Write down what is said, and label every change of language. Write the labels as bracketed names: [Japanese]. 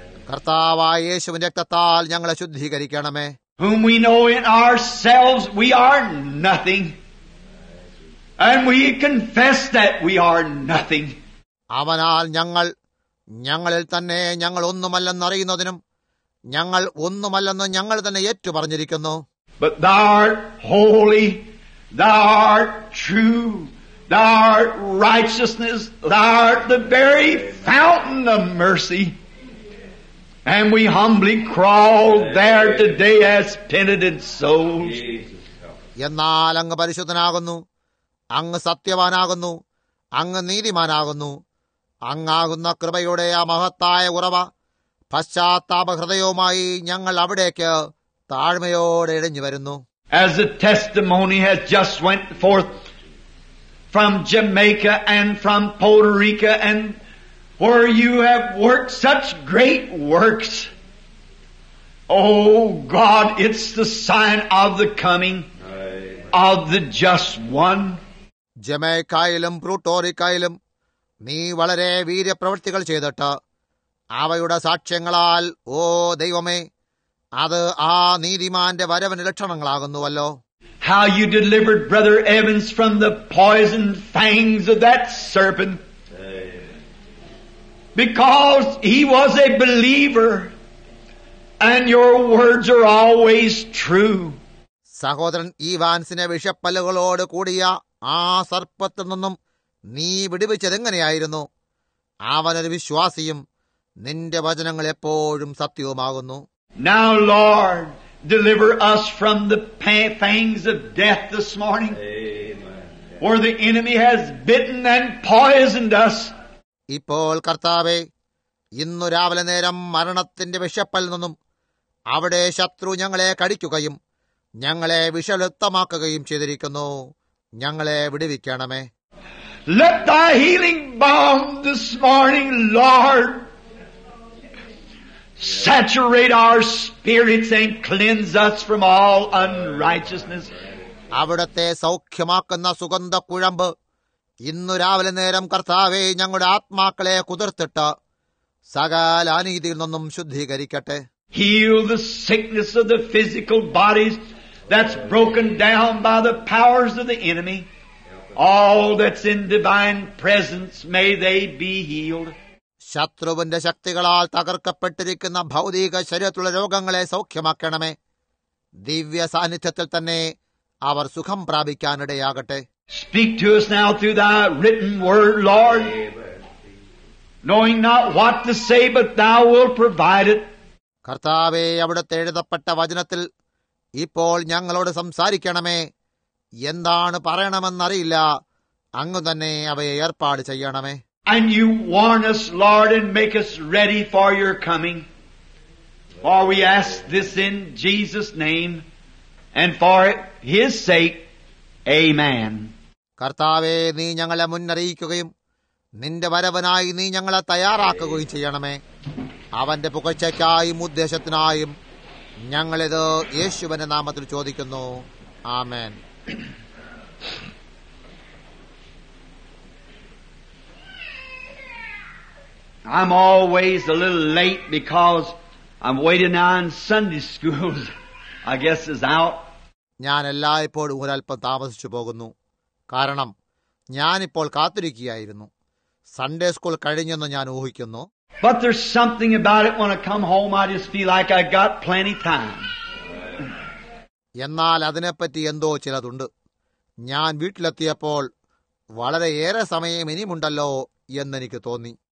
[Malayalam] കർത്താവായ യേശുവിന്റെ രക്തത്താൽ ഞങ്ങളെ ശുദ്ധീകരിക്കണമേ. [English] Whom we know in ourselves we are nothing, and we confess that we are nothing. [Malayalam] അവനാൽ ഞങ്ങളിൽ തന്നെ ഞങ്ങൾ ഒന്നുമല്ലെന്ന് അറിയുന്നതിനും ഞങ്ങൾ ഒന്നുമല്ലെന്ന് ഞങ്ങൾ തന്നെ ഏറ്റുപറഞ്ഞിരിക്കുന്നു. [English] But thou art holy, thou art true, thou art righteousness, thou art the very fountain of mercy. And we humbly crawl there today as penitent souls. [Malayalam] എന്നാൽ അങ്ങ് പരിശുദ്ധനാകുന്നു, അങ്ങ് സത്യവാനാകുന്നു, അങ്ങ് നീതിമാനാകുന്നു. അങ്ങാകുന്ന കൃപയുടെ ആ മഹത്തായ ഉറവ പശ്ചാത്താപ ഹൃദയവുമായി ഞങ്ങൾ അവിടേക്ക് താഴ്മയോടെ ഇഴഞ്ഞു വരുന്നു. [English] As the testimony has just went forth from Jamaica and from Puerto Rico, and where you have worked such great works, oh God, it's the sign of the coming of the just one. [Malayalam] ജമൈക്കയിലും പ്രൂട്ടോറിക്കയിലും നീ വളരെ വീര്യപ്രവൃത്തികൾ ചെയ്തിട്ട് അവയുടെ സാക്ഷ്യങ്ങളാൽ ഓ ദൈവമേ, അത് ആ നീതിമാന്റെ വരവിന് ലക്ഷണങ്ങളാകുന്നുവല്ലോ. [English] How you delivered Brother Evans from the poison fangs of that serpent. Because he was a believer and your words are always true. [Malayalam] സഹോദരൻ ഈവാൻസിനെ വിഷപ്പല്ലുകളോട് കൂടിയ ആ സർപ്പത്തിൽ നിന്നും നീ വിടുവിച്ചതെങ്ങനെയായിരുന്നു? അവനൊരു വിശ്വാസിയും നിന്റെ വചനങ്ങൾ എപ്പോഴും സത്യവുമാകുന്നു. [English] Now Lord, deliver us from the fangs of death this morning. Amen. For the enemy has bitten and poisoned us. [Malayalam] ഇപ്പോൾ കർത്താവേ, ഇന്നു രാവിലെ നേരം മരണത്തിന്റെ വിഷപ്പല്ലിൽ നിന്നും അവിടെ ശത്രു ഞങ്ങളെ കടിക്കുകയും ഞങ്ങളെ വിഷലുപ്തമാക്കുകയും ചെയ്തിരിക്കുന്നു. ഞങ്ങളെ വിടുവിക്കണമേ. [English] Let thy healing balm this morning, Lord, saturate our spirits and cleanse us from all unrighteousness. [Malayalam] അവിടത്തെ സൗഖ്യമാക്കുന്ന സുഗന്ധക്കുഴമ്പ് ഇന്നു രാവിലെ നേരം കർത്താവേ ഞങ്ങളുടെ ആത്മാക്കളെ കുതിർത്തിട്ട് സകല അനീതിയിൽ നിന്നും ശുദ്ധീകരിക്കട്ടെ. [English] Heal the sickness of the physical bodies that's broken down by the powers of the enemy. All that's in divine presence, may they be healed. [Malayalam] ശത്രുവിന്റെ ശക്തികളാൽ തകർക്കപ്പെട്ടിരിക്കുന്ന ഭൗതിക ശരീരത്തിലുള്ള രോഗങ്ങളെ സൗഖ്യമാക്കണമേ. ദിവ്യ സാന്നിധ്യത്തിൽ തന്നെ അവർ സുഖം പ്രാപിക്കാനിടയാകട്ടെ. [English] Speak to us now through thy written word, Lord. Knowing not what to say, but thou wilt provide it. [Malayalam] കർത്താവേ, അവിടുത്തെ എഴുതപ്പെട്ട വചനത്തിൽ ഇപ്പോൾ ഞങ്ങളോട് സംസാരിക്കണമേ. എന്താണ് പറയണമെന്നറിയില്ല, അങ്ങ് തന്നെ അവയെ ഏർപ്പാട് ചെയ്യണമേ. [English] And you warn us, Lord, and make us ready for your coming. For we ask this in Jesus' name and for his sake. Amen. [Malayalam] കർത്താവെ, നീ ഞങ്ങളെ മുന്നറിയിക്കുകയും നിന്റെ വരവനായി നീ ഞങ്ങളെ തയ്യാറാക്കുകയും ചെയ്യണമേ. അവന്റെ പുകഴ്ചയ്ക്കായും ഉദ്ദേശത്തിനായും ഞങ്ങളിത് യേശുവിന്റെ നാമത്തിൽ ചോദിക്കുന്നു. ആമേൻ. [English] I'm always a little late because I'm waiting now in Sunday schools. I guess is out. [Malayalam] ഞാൻ എല്ലായ്പ്പോഴും ഒരല്പം താമസിച്ചു പോകുന്നു, കാരണം ഞാനിപ്പോൾ കാത്തിരിക്കുകയായിരുന്നു. സൺഡേ സ്കൂൾ കഴിഞ്ഞെന്ന് ഞാൻ ഊഹിക്കുന്നു. [English] But there's something about it when I come home, I just feel like I got plenty time. [Malayalam] എന്നാൽ അതിനെപ്പറ്റി എന്തോ ചിലതുണ്ട്. ഞാൻ വീട്ടിലെത്തിയപ്പോൾ വളരെയേറെ സമയം ഇനിയുമുണ്ടല്ലോ എന്നെനിക്ക് തോന്നി.